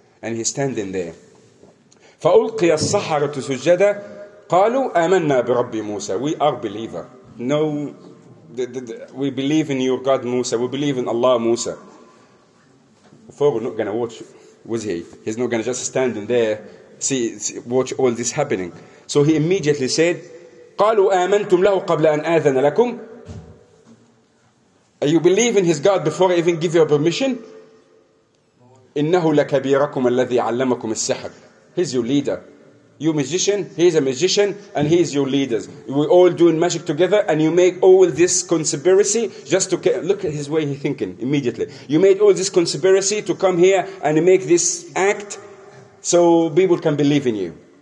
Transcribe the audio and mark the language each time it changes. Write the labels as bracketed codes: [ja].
[en] And he's standing there. [ar] فَأُلْقِيَ السَّحَرَةُ سُجَّدًا. قالوا آمنا برب موسى. [en] We are believer. No, we believe in your God Musa. We believe in Allah Musa. Pharaoh not gonna watch, was he? He's not gonna just stand in there, see watch all this happening. So he immediately said, [ar] قالوا آمنتم له قبل أن آذن لكم. [en] You believe in his God before I even give you a permission? [ar] إنه لكبيركم الذي علمكم السحر. [en] He's your leader. You magician, he's a magician, and he's your leaders. We're all doing magic together, and you make all this conspiracy just to look at his way he's thinking immediately. You made all this conspiracy to come here and make this act so people can believe in you.